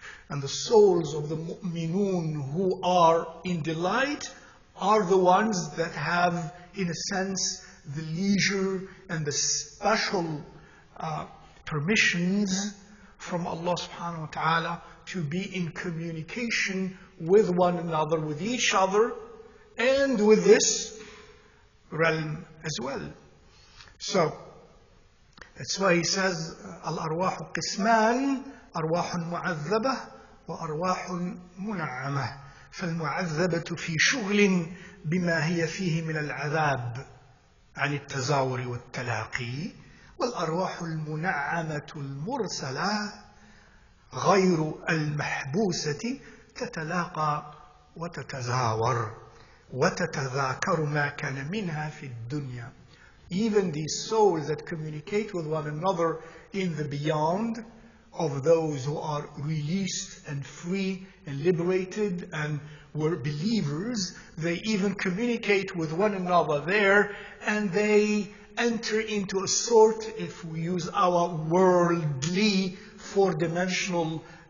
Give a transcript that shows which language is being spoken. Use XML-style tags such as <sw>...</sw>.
<en>And the souls of the mu'minun who are in delight are the ones that have, in a sense, the leisure and the special permissions from Allah subhanahu wa ta'ala to be in communication with one another, with each other, and with this realm as well. So, that's why he says,</en> <ar>الأرواح قسمان أرواح معذبة وأرواح منعمة فالمعذبة في شغل بما هي فيه من العذاب عن التزاور والتلاقي والأرواح المنعمة المرسلة غير المحبوسة تتلاقى وتتزاور وتتذاكر ما كان منها في الدنيا.</ar> <en>Even these souls that communicate with one another in the beyond of those who are released and free and liberated and were believers, they even communicate with one another there and they enter into a sort, if we use our worldly four-dimensional</en>